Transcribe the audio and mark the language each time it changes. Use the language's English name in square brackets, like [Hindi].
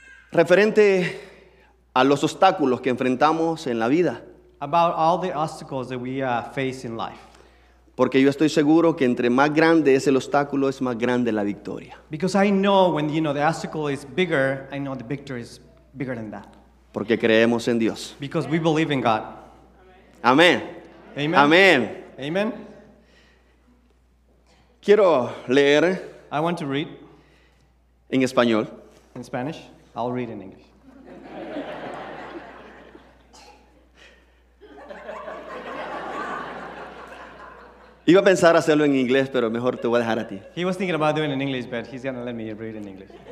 [Spanish] Referente a los obstáculos que enfrentamos en la vida. [English] About all the obstacles that we face in life. [Spanish] Porque yo estoy seguro que entre más grande es el obstáculo, es más grande la victoria. [English] Because I know when you know the obstacle is bigger, I know the victory is bigger than that. [Spanish] Porque creemos en Dios. [English] Because we believe in God. [Spanish] Amén. [English] Amen. Amen. Amen. [Spanish] Quiero leer. [English] I want to read. [Spanish] En español. [English] In Spanish. I'll read in English. [Spanish] Iba a pensar hacerlo en inglés, pero mejor te voy a dejar a ti. [English] He was thinking about doing it in English, but he's gonna let me read in English.